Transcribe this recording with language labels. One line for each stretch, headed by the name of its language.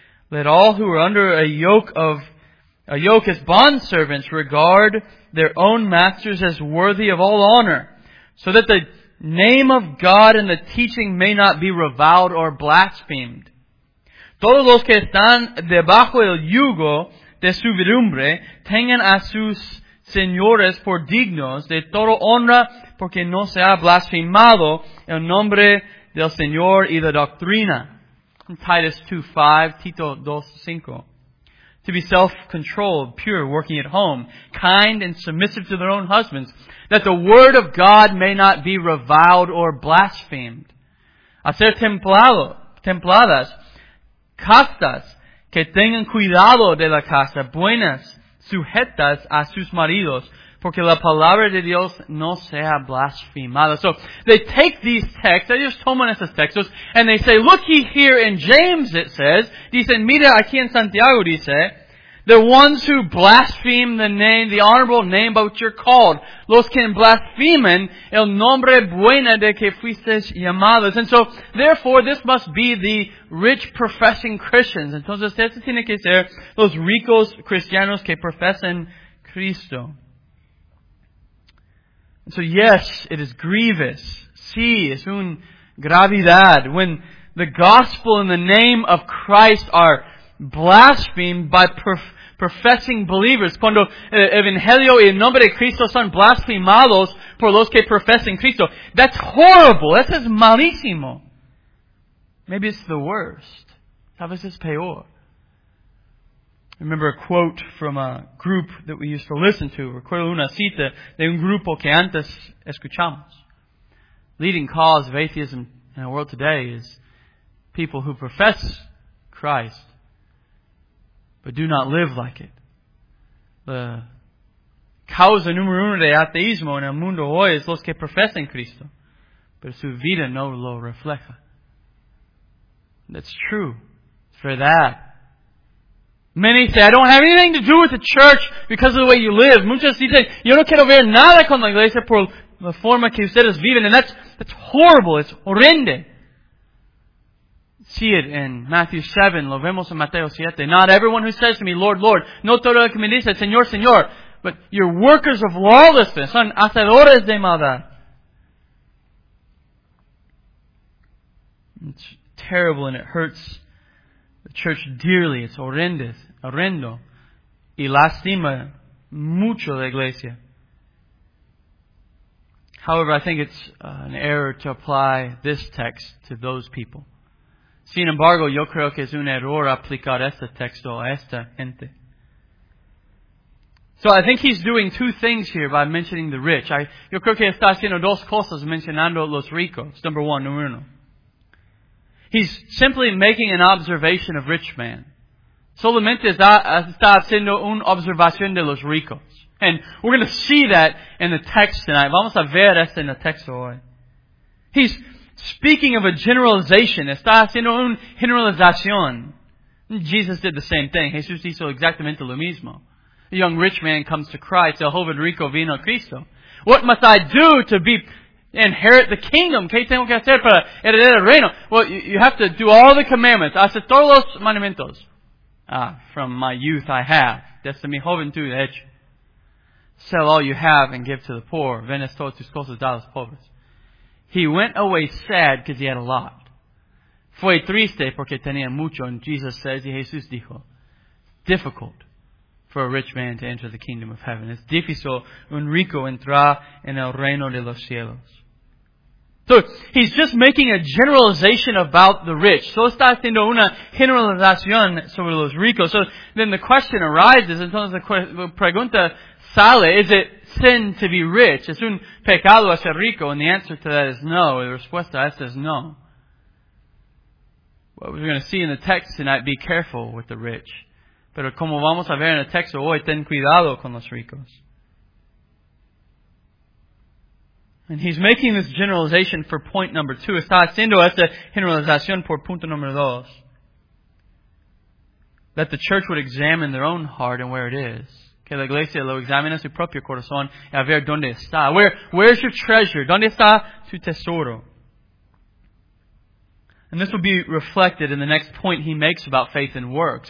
English: Let all who are under a yoke as bondservants regard their own masters as worthy of all honor, so that the name of God and the teaching may not be reviled or blasphemed.
Spanish: Todos los que están debajo el yugo de su servidumbre tengan a sus señores por dignos de toda honra, porque no se ha blasfemado el nombre del Señor y la doctrina. Titus 2:5, Tito 2:5.
English: To be self-controlled, pure, working at home, kind and submissive to their own husbands, that the word of God may not be reviled or blasphemed.
Spanish: A ser templadas, castas, que tengan cuidado de la casa, buenas, sujetas a sus maridos, porque la palabra de Dios no sea blasfemada.
English: So, they take these texts,
Spanish: ellos toman esos textos,
English: and they say, looky here in James, it says,
Spanish: dicen, mira aquí en Santiago, dice,
English: the ones who blaspheme the name, the honorable name by which you're called,
Spanish: los que blasfemen el nombre bueno de que fuisteis llamados.
English: And so, therefore, this must be the rich professing Christians.
Spanish: Entonces, esto tiene que ser los ricos cristianos que profesan Cristo.
English: So yes, it is grievous.
Spanish: Sí, es un gravidad.
English: When the gospel and the name of Christ are blasphemed by professing believers.
Spanish: Cuando el evangelio y el nombre de Cristo son blasfemados por los que profesan Cristo.
English: That's horrible.
Spanish: Eso es malísimo.
English: Maybe it's the worst.
Spanish: Tal vez es peor.
English: Remember a quote from a group that we used to listen to.
Spanish: Recuerdo una cita de un grupo que antes escuchamos.
English: Leading cause of atheism in the world today is people who profess Christ but do not live like it.
Spanish: The causa número uno de ateísmo en el mundo hoy es los que profesan Cristo, pero su vida no lo refleja.
English: That's true. For that, many say, I don't have anything to do with the church because of the way you live.
Spanish: Muchos dicen, yo no quiero ver nada con la iglesia por la forma que ustedes viven.
English: And that's horrible. It's horrendo. See it in Matthew 7.
Spanish: Lo vemos en Mateo 7.
English: Not everyone who says to me, Lord, Lord.
Spanish: No todo el que me dice, Señor, Señor.
English: But you're workers of lawlessness.
Spanish: Son hacedores de maldad.
English: It's terrible and it hurts the church dearly. It's horrendous, horrendo.
Spanish: Y lastima mucho la iglesia.
English: However, I think it's an error to apply this text to those people.
Spanish: Sin embargo, yo creo que es un error aplicar este texto a esta gente.
English: So I think he's doing two things here by mentioning the rich.
Spanish: Yo creo que está haciendo dos cosas mencionando los ricos.
English: Number one,
Spanish: número uno.
English: He's simply making an observation of rich man.
Spanish: Solamente está haciendo una observación de los ricos.
English: And we're going to see that in the text tonight.
Spanish: Vamos a ver eso en el texto hoy.
English: He's speaking of a generalization.
Spanish: Está haciendo una generalización.
English: Jesus did the same thing.
Spanish: Jesús hizo exactamente lo mismo.
English: The young rich man comes to Christ.
Spanish: El joven rico vino a Cristo.
English: What must I do to be inherit the kingdom?
Spanish: ¿Qué tengo que hacer para heredar el reino?
English: Well, you have to do all the commandments.
Spanish: Hacer todos los mandamientos.
English: Ah, from my youth I have.
Spanish: Desde mi juventud he hecho.
English: Sell all you have and give to the poor.
Spanish: Vendes todas tus cosas, da a los pobres.
English: He went away sad because he had a lot.
Spanish: Fue triste porque tenía mucho.
English: And Jesus says,
Spanish: y Jesús dijo,
English: difficult for a rich man to enter the kingdom of heaven.
Spanish: Es difícil un rico entrar en el reino de los cielos.
English: So, he's just making a generalization about the rich.
Spanish: So, está haciendo una generalización sobre los ricos.
English: So, then the question arises,
Spanish: entonces la pregunta sale,
English: is it sin to be rich?
Spanish: ¿Es un pecado a ser rico?
English: And the answer to that is no.
Spanish: The respuesta a esta is no.
English: What we're going to see in the text tonight, be careful with the rich.
Spanish: Pero como vamos a ver en el texto hoy, ten cuidado con los ricos.
English: And he's making this generalization for point number two.
Spanish: Está haciendo esta generalización por punto número dos.
English: That the church would examine their own heart and where it is.
Spanish: Que la iglesia lo examine su propio corazón y a ver dónde está.
English: Where's your treasure?
Spanish: ¿Dónde está tu tesoro?
English: And this will be reflected in the next point he makes about faith and works.